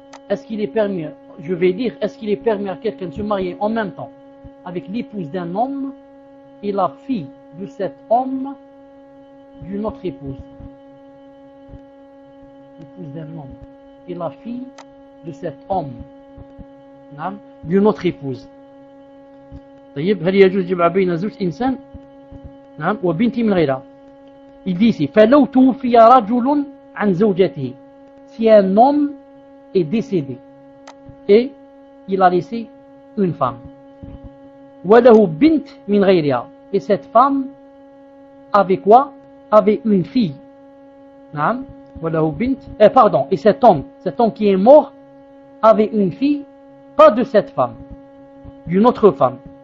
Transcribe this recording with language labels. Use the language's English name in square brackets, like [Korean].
[French] Est-ce qu'il est permis, je vais dire, est-ce qu'il est permis à quelqu'un de se marier en même temps avec l'épouse d'un homme et la fille de cet homme d'une autre épouse? L'épouse d'un homme et la fille de cet homme d'une autre épouse. [Arabic] طيب هل يجوز جمع بين زوج انسان نعم وبنت من غيرها. Il dit ici فلو توفي رجل عن زوجته. [French] Si un homme est décédé et il a laissé une femme, وله بنت من غيرها, et cette femme avait quoi? Avait une fille. نعم وله بنت, pardon, et cet homme qui est mort avait une fille, pas de cette femme, d'une autre femme.